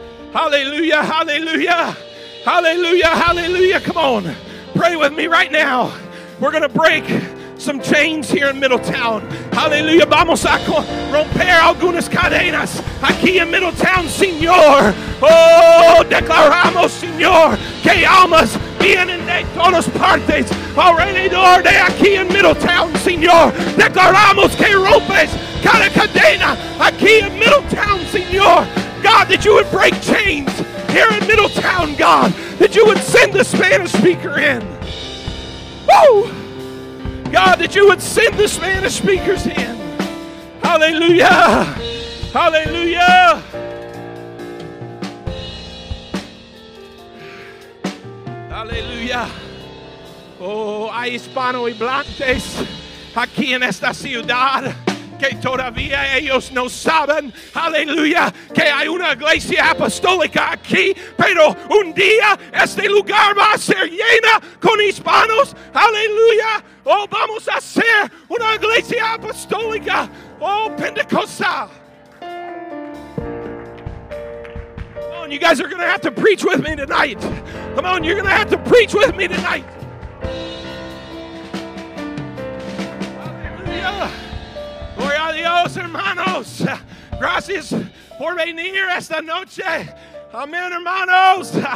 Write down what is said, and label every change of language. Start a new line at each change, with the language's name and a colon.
English: Hallelujah, hallelujah, hallelujah, hallelujah. Come on, pray with me right now. We're going to break some chains here in Middletown. Hallelujah.
Spanish: Vamos a romper algunas cadenas aquí en Middletown, Señor. Oh, declaramos, Señor, que almas vienen de todas partes alrededor de aquí en Middletown, Señor. Declaramos que rompes cada cadena aquí en Middletown, Señor.
English: God, that you would break chains here in Middletown, God. That you would send the Spanish speaker in. Woo! God, that you would send the Spanish speakers in. Hallelujah! Hallelujah! Hallelujah!
Spanish: Oh, hay hispano y blantes aquí en esta ciudad. Que todavía ellos no saben, aleluya, que hay una iglesia apostólica aquí, pero un día este lugar va a ser llena con hispanos, aleluya, oh, vamos a ser una iglesia apostólica, oh, Pentecostal.
English: Come on, you guys are going to have to preach with me tonight. Come on, you're going to have to preach with me tonight.
Spanish: Hallelujah. Gloria a Dios, hermanos. Gracias por venir esta noche. Amén, hermanos.